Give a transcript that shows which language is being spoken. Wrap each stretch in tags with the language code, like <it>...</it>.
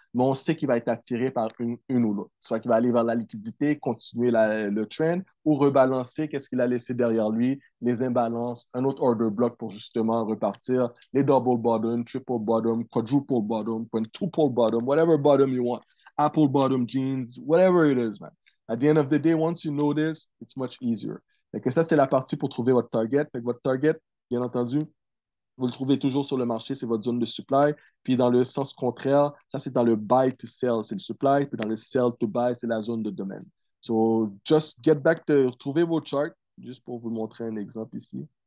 <fr>Mais on sait qu'il va être attiré par une ou l'autre. Soit qu'il va aller vers la liquidité, continuer le trend, ou rebalancer qu'est-ce qu'il a laissé derrière lui, les imbalances, un autre order block pour justement repartir, les double bottom, triple bottom, quadruple bottom, quintuple bottom,</fr> <en>whatever bottom you want, apple bottom jeans, whatever it is, man. At the end of the day, once you know this, it's much easier.</en> <fr>Fait que ça, c'est la partie pour trouver votre target. Fait que votre target, bien entendu, vous le trouvez toujours sur le marché, c'est votre zone de supply. Puis dans le sens contraire, ça c'est dans le buy to sell, c'est le supply. Puis dans le sell to buy, c'est la zone de domaine.</fr> <en>So just get back to</en> <fr>trouver vos charts, juste pour vous montrer un exemple ici.</fr>